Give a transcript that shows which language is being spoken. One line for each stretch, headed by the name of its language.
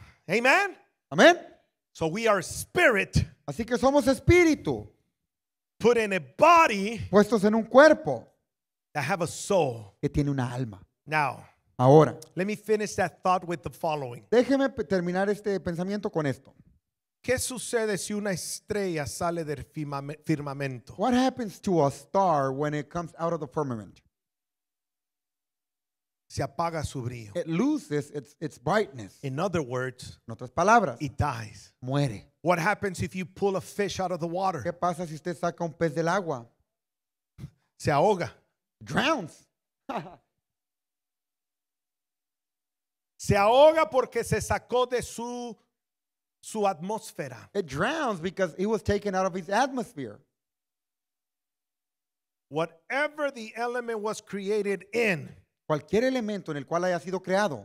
English: Amen. Amen. So we are spirit.
Spanish: Así que somos espíritu.
English: Put in a body,
Spanish: puestos en un cuerpo,
English: that have a soul,
Spanish: que tiene una alma.
English: Now,
Spanish: ahora,
English: let me finish that thought with the following.
Spanish: Déjeme terminar este pensamiento con esto. ¿Qué sucede si una estrella sale del firmamento?
English: What happens to a star when it comes out of the firmament?
Spanish: Se apaga su brillo.
English: It loses its brightness. In other words,
Spanish: en otras palabras,
English: it dies.
Spanish: Muere.
English: What happens if you pull a fish out of the water?
Spanish: ¿Qué pasa si usted saca un pez del agua? Se ahoga.
English: Drowns.
Spanish: Se ahoga porque se sacó de su atmósfera.
English: It drowns because it was taken out of its atmosphere. Whatever the element was created in,
Spanish: Cualquier elemento en el cual haya sido creado,